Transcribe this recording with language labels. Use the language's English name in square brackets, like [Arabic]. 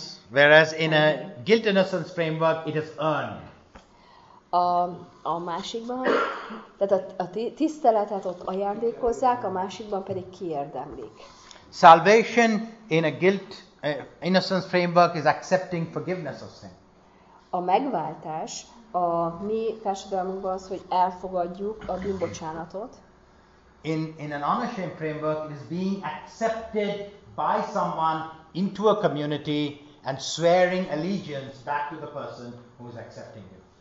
[English] Whereas in a guilt innocence framework it is earned. [Hungarian] A másikban, tehát a tiszteletet ott ajándékozzák, a másikban pedig kiérdemlik. [English] Salvation in a guilt innocence framework is accepting forgiveness of sin. [Hungarian] A megváltás a mi társadalmunkban az, hogy elfogadjuk a bűnbocsánatot. [English] In an honor shame framework it is being accepted by someone into a community and swearing allegiance back to the person who is accepting you.